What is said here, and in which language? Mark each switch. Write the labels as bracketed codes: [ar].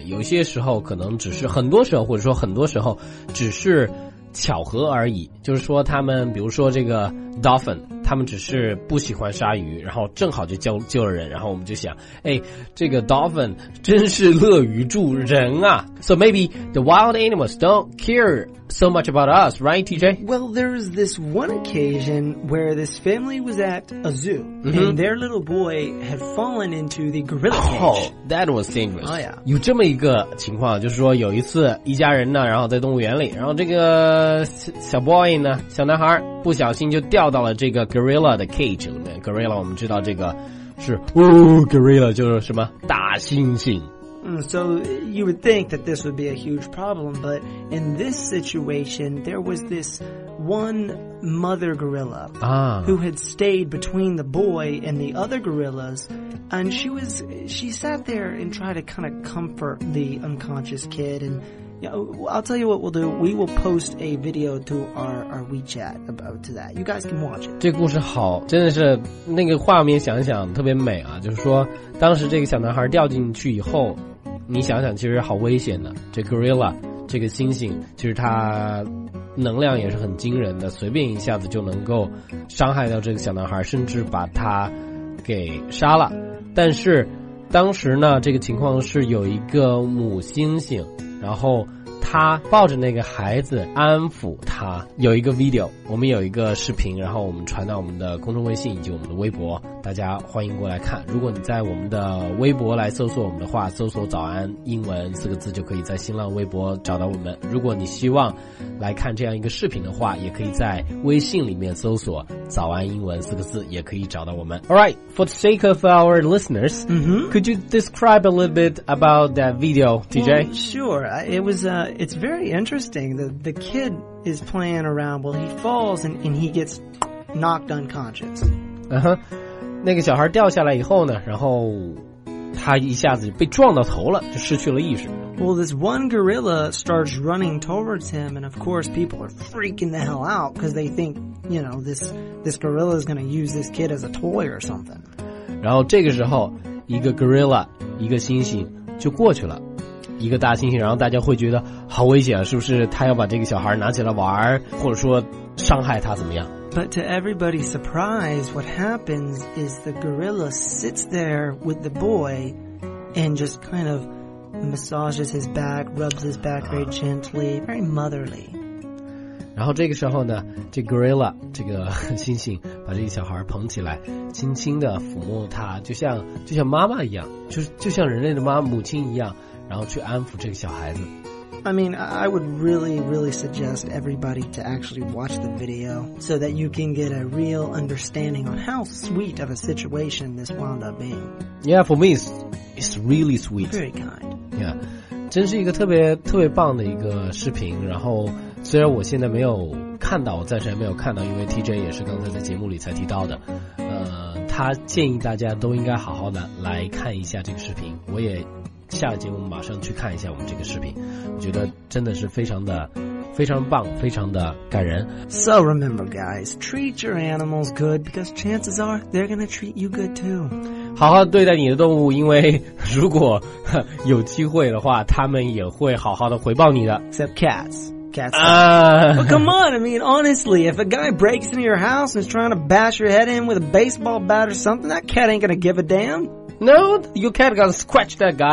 [zh] 有些时候可能只是很多时候或者说很多时候只是巧合而已，就是说他们比如说这个 dolphin， 他们只是不喜欢鲨鱼，然后正好就救了人，然后我们就想，哎，这个 dolphin 真是乐于助人啊。 [en] So maybe the wild animals don't care so much about us, right, TJ? Well, there was this one occasion where this family was at a zoo,、mm-hmm. and their little boy had fallen into the gorilla cage. Oh, that was dangerous. Oh, yeah. [zh] 有这么一个情况，就是说有一次一家人呢，然后在动物园里，然后这个小 boy 呢，小男孩不小心就掉到了这个 gorilla 的 cage 里面。 Gorilla 我们知道这个是、哦、gorilla 就是什么大猩猩。 [en] So you would think that this would be a huge problem, but in this situation, there was this one mother gorilla、 ah. who had stayed between the boy and the other gorillas, and she sat there and tried to kind of comfort the unconscious kid. And you know, I'll tell you what we'll do. We will post a video to our WeChat about that. You guys can watch it. [zh] 这故事好，真的是那个画面想想特别美啊，就是说当时这个小男孩掉进去以后你想想其实好危险的这 gorilla 这个猩猩其实它能量也是很惊人的随便一下子就能够伤害到这个小男孩甚至把他给杀了但是当时呢这个情况是有一个母猩猩然后他抱着那个孩子安抚他有一个 video 我们有一个视频然后我们传到我们的公众微信以及我们的微博大家欢迎过来看如果你在我们的微博来搜索我们的话搜索早安英文四个字就可以在新浪微博找到我们如果你希望来看这样一个视频的话也可以在微信里面搜索早安英文四个字也可以找到我们 [en] Alright, for the sake of our listeners、 mm-hmm. could you describe a little bit about that video, TJ? Well, sure, it was aIt's very interesting. The kid is playing around. Well, he falls and he gets knocked unconscious. Uh-huh. [zh] 那个小孩掉下来以后呢，然后他一下子被撞到头了，就失去了意识。 [en] Well, this one gorilla starts running towards him, and of course, people are freaking the hell out because they think, you know, this gorilla is going to use this kid as a toy or something. [zh] 然后这个时候，一个 gorilla， 一个猩猩就过去了。一个大猩猩，然后大家会觉得好危险，是不是他要把这个小孩拿起来玩，或者说伤害他怎么样 [en] ？But to everybody's surprise, what happens is the gorilla sits there with the boy, and just kind of massages his back, rubs his back very gently, very motherly. [zh] 然后这个时候呢，这 gorilla 这个猩猩把这个小孩捧起来，轻轻的抚摸他，就像妈妈一样，就像人类的母亲一样。然后去安抚这个小孩子。 [en] I mean, I would really, really suggest everybody to actually watch the video so that you can get a real understanding on how sweet of a situation this wound up being. Yeah, for me, it's really sweet. Very kind. [zh] Yeah, 真是一个特别特别棒的一个视频。然后虽然我现在没有看到，我暂时还没有看到，因为 TJ 也是刚才在节目里才提到的。他建议大家都应该好好的来看一下这个视频。我也。下节我们马上去看一下我们这个视频我觉得真的是非常的非常棒非常的感人 [en] So remember guys treat your animals good because chances are they're gonna treat you good too [zh] 好好对待你的动物因为如果有机会的话他们也会好好的回报你的 [en] except cats but come on I mean honestly if a guy breaks into your house and is trying to bash your head in with a baseball bat or something that cat ain't gonna give a damn No, your cat gonna scratch that guy.